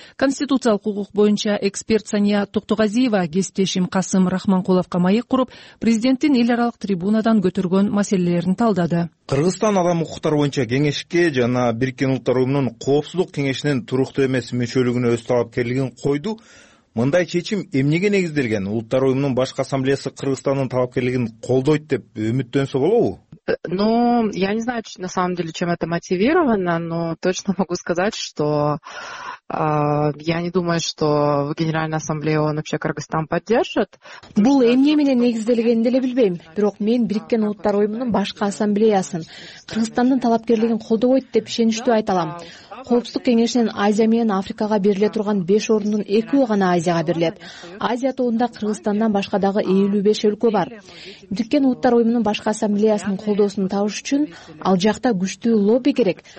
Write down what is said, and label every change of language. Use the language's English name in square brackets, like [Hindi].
[Kyrgyz] Конституциялык укук боюнча эксперт Сания Токтогазиева кесиптешим Касым Рахманкуловко маек куруп, президенттин эл аралык трибунадан көтөргөн маселелерин талдады. Кыргызстан адам укуктары боюнча кеңешке жана Бириккен Улуттар Уюмунун коопсуздук кеңешинин туруктуу эмес мүчөлүгүнө өз талапкерлигин койду. Мындай чечим эмнеге негизделген? Улуттар уюмунун башкы ассамблеясы Кыргызстандын талапкерлигин колдойт деп үмүттөнсө болобу? [Russian] Ну, я не знаю, на самом деле, чем это мотивировано, но точно могу сказать, что я не думаю, что в Генеральной Ассамблее он вообще Кыргызстан поддержит. [Kyrgyz] Бул эмне менен негизделгенин деле билбейм, бирок мен Бириккен Улуттар Уюмунун башкы ассамблеясын Кыргызстандын талапкерлигин колдобойт деп ишеничтүү айта алам. Коопсуздук кеңешинен Азия менен Африкага бериле турган 5 орундун 2 гана Азияга берилет. Азия тобунда Кыргызстандан башка дагы 55 өлкө бар. Бириккен Улуттар Уюмунун башкы ассамблеясынын колдоосун табыш үчүн ал жакта күчтүү лобби керек.